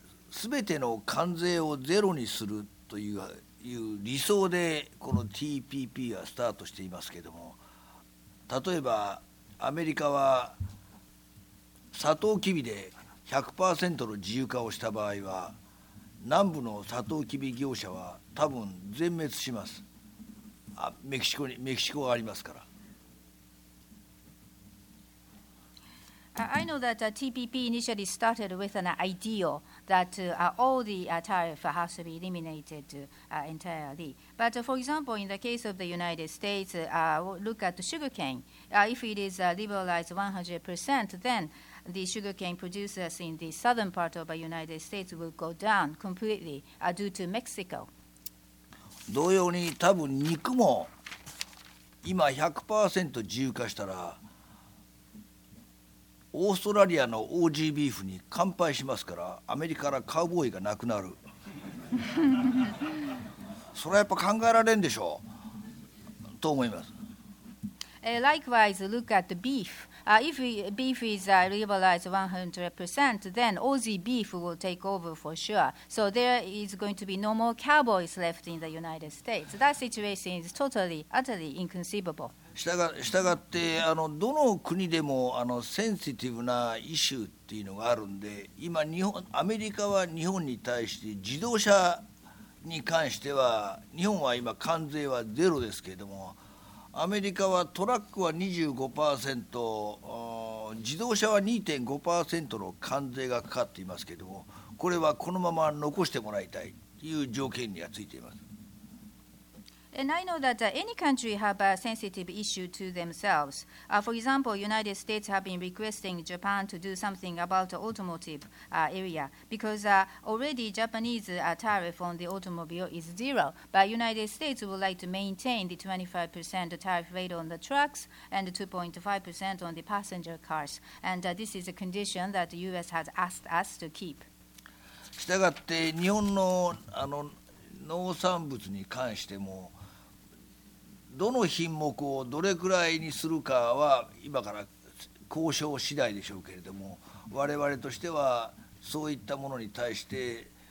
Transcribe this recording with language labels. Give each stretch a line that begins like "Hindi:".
Japanese: すべての関税をゼロにするというという理想でこの TPP はスタートしていますけれども、例えばアメリカはサトウキビで 100% の自由化をした場合は、南部のサトウキビ業者は多分全滅します。あ、メキシコに、メキシコがありますから。
English: I know that TPP initially started with an ideal that all the tariff has to be eliminated entirely. But for example, in the case of the United States, look at sugarcane. If it is liberalized 100%, then the sugarcane producers in the southern part of the United States will go down completely due to Mexico.
Japanese: 同様に多分肉も今 100% 自由化したら、オーストラリアのオージービーフに完敗しますから、アメリカからカウボーイがなくなる。それはやっぱ考えられんでしょうと思います。
English: Likewise, look at the beef. If beef is liberalized 100%, then Aussie beef will take over for sure. So there is going to be no more cowboys left in the United States. That situation is totally, utterly inconceivable.
Japanese: したがって、どの国でもセンシティブなイシューっていうのがあるんで、今日本、アメリカは日本に対して自動車に関しては、日本は今関税はゼロですけれども、アメリカはトラックは 25%、自動車は 2.5% の関税がかかっていますけれども、これはこのまま残してもらいたいという条件にはついています。
English: And I know that any country have a sensitive issue to themselves. For example, United States have been requesting Japan to do something about the automotive area because already Japanese tariff on the automobile is zero. But United States would like to maintain the 25% tariff rate on the trucks and 2.5% on the passenger cars. And this is a condition that the U.S. has asked us to keep.
Japanese: したがって日本の農産物に関しても、どの品目をどれくらいにするかは今から交渉次第でしょうけれども、我々としてはそういったものに対して